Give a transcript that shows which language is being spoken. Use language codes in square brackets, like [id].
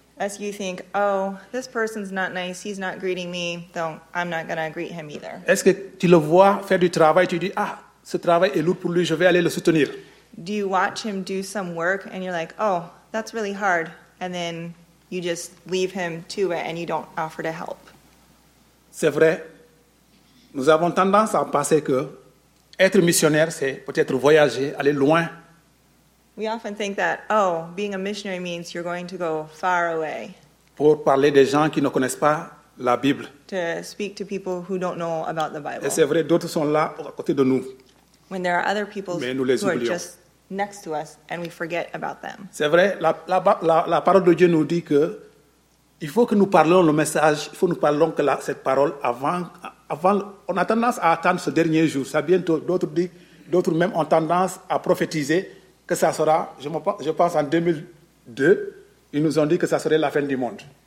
[en] As you think, oh, this person's not nice, he's not greeting me, donc I'm not going to greet him either. [fr] Est-ce que tu le vois faire du travail, tu dis, ah, ce travail est lourd pour lui, je vais aller le soutenir? [en] Do you watch him do some work and you're like, oh, that's really hard, and then you just leave him to it and you don't offer to help? [fr] C'est vrai, nous avons tendance à penser que être missionnaire, c'est peut-être voyager, aller loin. [en] We often think that, oh, being a missionary means you're going to go far away. [fr] Pour parler des gens qui ne connaissent pas la Bible. [en] To speak to people who don't know about the Bible. [fr] Et c'est vrai, d'autres sont là à côté de nous. [en] When there are other people [fr] who oublions. [en] Are just next to us and we forget about them. [fr] C'est vrai, la parole de Dieu nous dit que il faut que nous parlions le message, il faut que nous parlions que cette parole avant, on a tendance à attendre ce dernier jour. Ça bientôt, d'autres même ont tendance à prophétiser que ça sera, je pense en 2002, ils nous ont dit que ça serait la fin du monde.